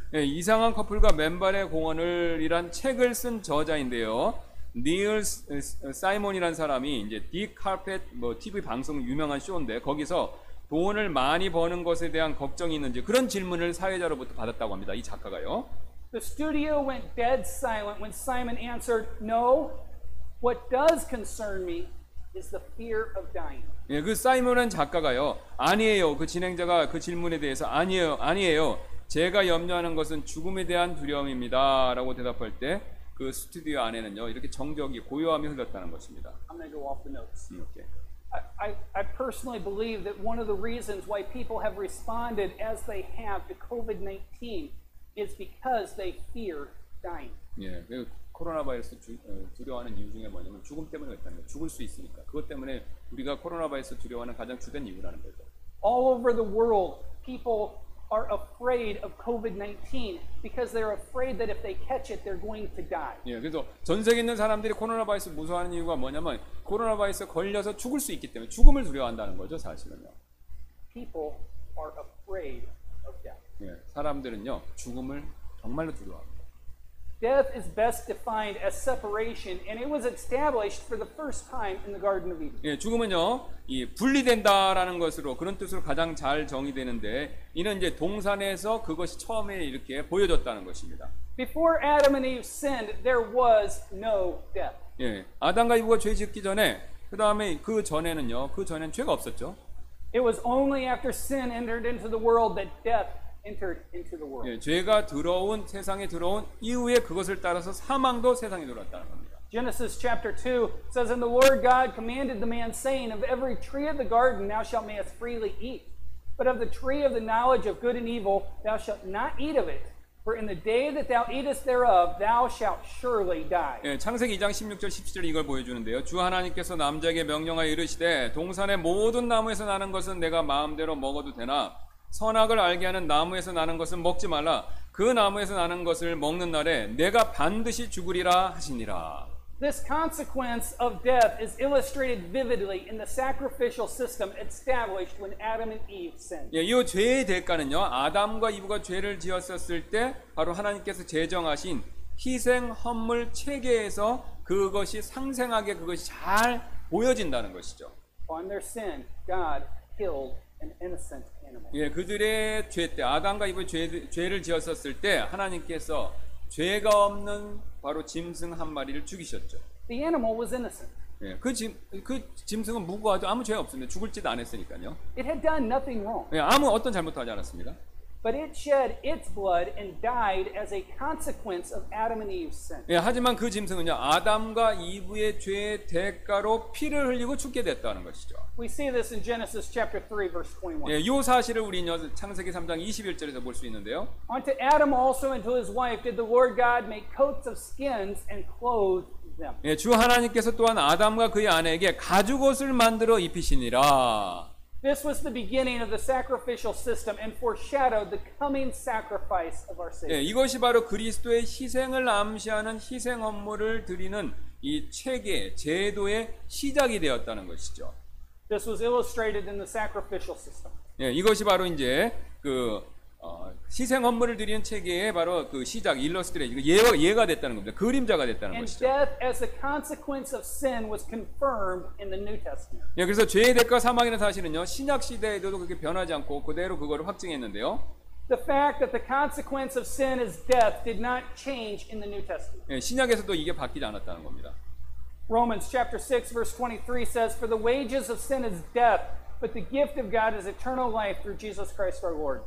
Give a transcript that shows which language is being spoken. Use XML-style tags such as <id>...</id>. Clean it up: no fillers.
<ko>예, 이상한 커플과 맨발의 공원을이란 책을 쓴 저자인데요. 니얼 사이먼이란 사람이 이제 딕 카펫 뭐 TV 방송 유명한 쇼인데 거기서 돈을 많이 버는 것에 대한 걱정이 있는지 그런 질문을 사회자로부터 받았다고 합니다. 이 작가가요.</ko> <en>The studio went dead silent when Simon answered, "No, what does concern me is the fear of dying."</en> <ko>예, 그 사이먼은 작가가요. 아니에요. 그 진행자가 그 질문에 대해서 아니에요. 아니에요. 제가 염려하는 것은 죽음에 대한 두려움입니다라고 대답할 때 그 스튜디오 안에는요. 이렇게 정적이 고요함이 흘렀다는 것입니다.</ko> <en>I'm going to go off the notes. Okay. I personally believe that one of the reasons why people have responded as they have to COVID-19 is because they fear dying.</en> <ko>예. 코로나 바이러스 두려워하는 이유 중에 뭐냐면 죽음 때문에 그렇다는 거예요. 죽을 수 있으니까. 그것 때문에 우리가 코로나 바이러스 두려워하는 가장 주된 이유라는 거죠.</ko> <en>All over the world, people are afraid of COVID-19 because they're afraid that if they catch it, they're going to die.</en> <ko>예, 그래서 전 세계 있는 사람들이 코로나 바이러스 무서워하는 이유가 뭐냐면 코로나 바이러스 걸려서 죽을 수 있기 때문에 죽음을 두려워한다는 거죠, 사실은요.</ko> <en>People are afraid of death.</en> <ko>예, 사람들은요 죽음을 정말로 두려워합니다.</ko> <en>Death is best defined as separation, and it was established for the first time in the Garden of Eden.</en> <ko>예, 죽음은요, 이 분리된다라는 것으로 그런 뜻으로 가장 잘 정의되는데, 이는 이제 동산에서 그것이 처음에 이렇게 보여졌다는 것입니다.</ko> <en>Before Adam and Eve sinned, there was no death.</en> <ko>예, 아담과 이브가 죄 짓기 전에, 그 다음에 그 전에는요, 그 전에는 죄가 없었죠.</ko> <en>It was only after sin entered into the world that death entered into the world.</en> <ko>예, 죄가 들어온 세상에 들어온 이후에 그것을 따라서 사망도 세상에 들어왔다는 겁니다.</ko> <en>Genesis chapter 2 says, "And the Lord God commanded the man, saying, Of every tree of the garden thou shalt mayest freely eat, but of the tree of the knowledge of good and evil thou shalt not eat of it, for in the day that thou eatest thereof thou shalt surely die."</en> <ko>예, 창세기 2장 16절 17절 이걸 보여주는데요. 주 하나님께서 남자에게 명령하여 이르시되 동산의 모든 나무에서 나는 것은 내가 마음대로 먹어도 되나 선악을 알게 하는 나무에서 나는 것은 먹지 말라 그 나무에서 나는 것을 먹는 날에 내가 반드시 죽으리라 하시니라.</ko> <en>This consequence of death is illustrated vividly in the sacrificial system established when Adam and Eve sinned.</en> <ko>예, 이 죄의 대가는요. 아담과 이브가 죄를 지었었을 때 바로 하나님께서 제정하신 희생 헌물 체계에서 그것이 상생하게 그것이 잘 보여진다는 것이죠.</ko> <en>On their sin, God killed an innocent animal.</en> <ko>예, 그들의 죄 때 아담과 이브 죄를 지었었을 때 하나님께서 죄가 없는 바로 짐승 한 마리를 죽이셨죠. The animal was innocent. 예, 그 짐승은 무고하죠. 아무 죄 없습니다. 죽을지도 안 했으니까요.</ko> <en>It had done nothing wrong.</en> <ko>예, 아무 어떤 잘못도 하지 않았습니다.</ko> <en>But it shed its blood and died as a consequence of Adam and Eve's sin.</en> <ko>예, 하지만 그 짐승은요, 아담과 이브의 죄의 대가로 피를 흘리고 죽게 됐다는 것이죠.</ko> <en>We see this in Genesis chapter 3 verse 21.</en> <ko>예, 요 사실을 우리는요, 창세기 3장 21절에서 볼 수 있는데요.</ko> <en>Unto Adam also and to his wife did the Lord God make coats of skins and clothed them.</en> <ko>예, 주 하나님께서 또한 아담과 그의 아내에게 가죽옷을 만들어 입히시니라.</ko> <en>This was the beginning of the sacrificial system and foreshadowed the coming sacrifice of our Savior.</en> <ko>예, 이것이 바로 그리스도의 희생을 암시하는 희생 헌물을 드리는 이 체계, 제도의 시작이 되었다는 것이죠.</ko> <en>This was illustrated in the sacrificial system.</en> <ko>예, 이것이 바로 이제 그 희생 헌물을 드리는 체계의 바로 그 시작, 일러스트레이션, 예가 됐다는 겁니다. 그림자가 됐다는</ko> <en>and</en> <ko>것이죠.</ko> <en>Death as a consequence of sin was confirmed in the New Testament.</en> <ko>예, 그래서 죄의 대가 사망이라는 사실은요, 신약 시대에도 그렇게 변하지 않고 그대로 그거를 확증했는데요.</ko> <en>The fact that the consequence of sin is death did not change in the New Testament.</en> <ko>예, 신약에서도 이게 바뀌지 않았다는 겁니다.</ko> <en>Romans chapter 6 verse 23 says, "For the wages of sin is death." But the gift of God is eternal life through Jesus Christ our Lord.</en>